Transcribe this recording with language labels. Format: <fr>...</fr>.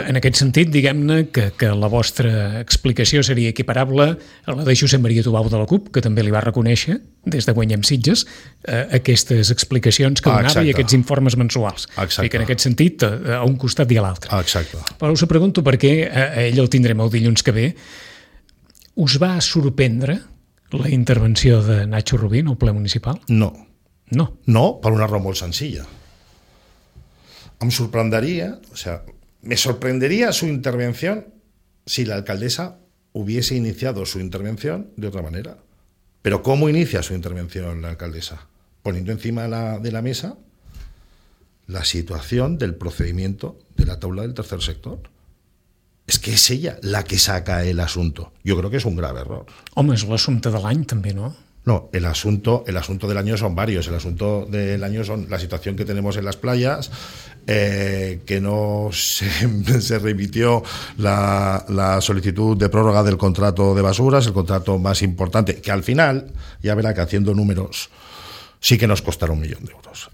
<ca>En aquest sentit, diguem-ne que la vostra explicació seria equiparable a la de Josep Maria Tubau de la CUP, que també li va reconèixer, des de Guanyem Sitges, aquestes explicacions que donava i aquests informes mensuals. Exacte. I que en aquest sentit, a un costat i a l'altre. Exacte. Però us ho pregunto perquè a ell el tindrem el dilluns que ve. Us va sorprendre la intervenció de Nacho Rubí en el ple municipal? No. No? No, per una raó molt senzilla. Em sorprendria,</ca> <es>o sea, me sorprendería su intervención si la alcaldesa hubiese iniciado su intervención de otra manera. Pero ¿cómo inicia su intervención la alcaldesa? Poniendo encima de la mesa la situación del procedimiento de la taula del tercer sector.</es> <ca>És que és ella la que</ca> <es>saca el asunto.</es> <ca>Jo crec que és un grave error. Home, és l'assumpte de l'any també, no?</ca> <es>No, el asunto del año son varios. El asunto del año son la situación que tenemos en las playas, que no se remitió la solicitud de prórroga del contrato de basuras, el contrato más importante, que al final, ya verá que haciendo números, sí que nos costará 1 millón de euros.</es>